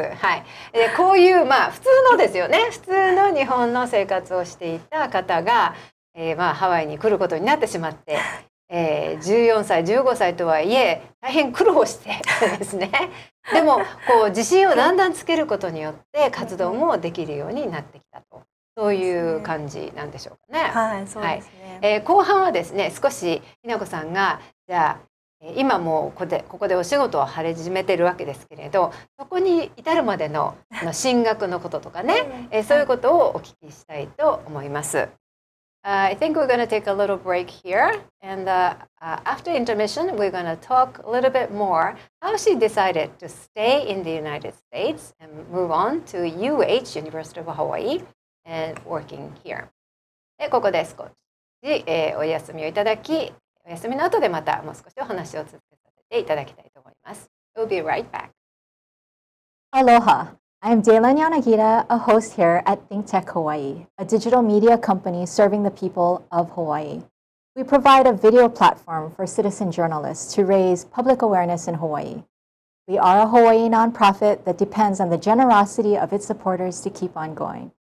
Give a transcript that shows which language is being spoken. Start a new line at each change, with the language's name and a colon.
Japanese: はい、こういう、まあ、普通のですよね、普通の日本の生活をしていた方が、まあ、ハワイに来ることになってしまって、14歳15歳とはいえ大変苦労してですね、でもこう自信をだんだんつけることによって活動もできるようになってきたと、そういう感じなんでしょうかね。はい、そうですね、はい、後半はですね、少し日奈子さんがじゃあ今もここでお仕事を張り始めてるわけですけれど、そこに至るまでの進学のこととかね、そういうことをお聞きしたいと思います。
English: I think we're going to take a little break here. And after intermission, we're going to talk a little bit more how she decided to stay in the United States and move on to UH, University of Hawaii, and working here.
Japanese: で、ここで少し、お休みをいただき、お休みの後でまたもう少しお話を続けさせていただきたいと思います。
English: We'll be right back. Aloha. I'm Dela Nyanagira, a host here at ThinkTech Hawaii, a digital media company serving the people of Hawaii. We provide a video platform for citizen journalists to raise public awareness in Hawaii. We are a Hawaii nonprofit that depends on the generosity of its supporters to keep on going.